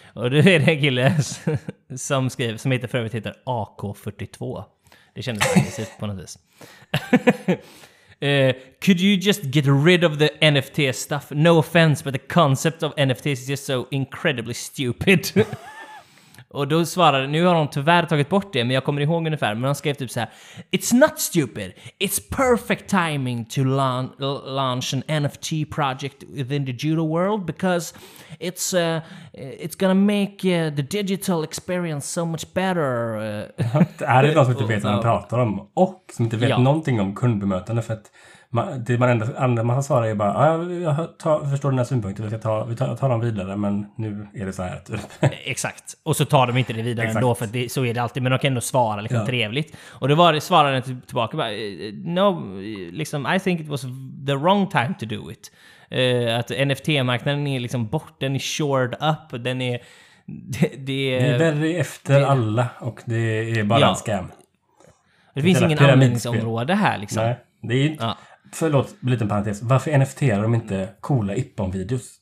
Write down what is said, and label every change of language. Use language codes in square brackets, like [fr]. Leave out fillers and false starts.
[sv] Och då är det en kille som skriver, som heter, för övrigt heter AK42. Det kändes aggressivt på något vis. [en] Could you just get rid of the NFT stuff? No offense, but the concept of NFTs is just so incredibly stupid. [sv] Och då svarade, nu har de tyvärr tagit bort det, men jag kommer ihåg ungefär, men han skrev typ så här: [en] it's not stupid, it's perfect timing to launch an NFT project within the judo world, because it's gonna make the digital experience so much better. [sv] Det är det någon som inte vet vad man pratar om, och som inte vet någonting om kundbemötande, för att man har svarat ju bara, jag förstår den här synpunkten, vi tar dem vidare, men nu är det så här typ. Exakt, och så tar de inte det vidare ändå, för så är det alltid, men de kan ändå svara liksom trevligt. Och då var det, svarade den tillbaka bara, [en] no, [sv] liksom, [en] I think it was the wrong time to do it. [sv] Att NFT-marknaden är liksom bort, den är shored up, den är... Det är värre efter det, alla, och det är bara en scam. Det finns ingen användningsområde här liksom. Nej. Det är inte, förlåt, en liten parentes. Varför NFT-ar de inte coola Ippon-videos?